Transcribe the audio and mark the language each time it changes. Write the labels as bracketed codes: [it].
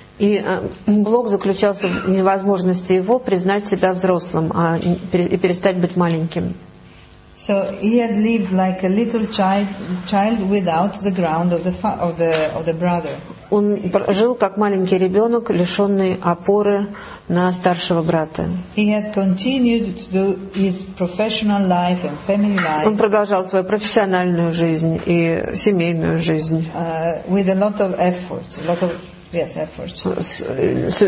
[ru] И блок заключался в невозможности его признать себя взрослым, а и перестать быть маленьким. [en] So he had lived like a little child without the ground of the brother. [ru] Он жил как маленький ребенок, лишенный опоры на старшего брата. [en] He had continued to do his professional life and family life. [ru] Он продолжал свою профессиональную жизнь и семейную жизнь. [en] With a lot of effort, efforts.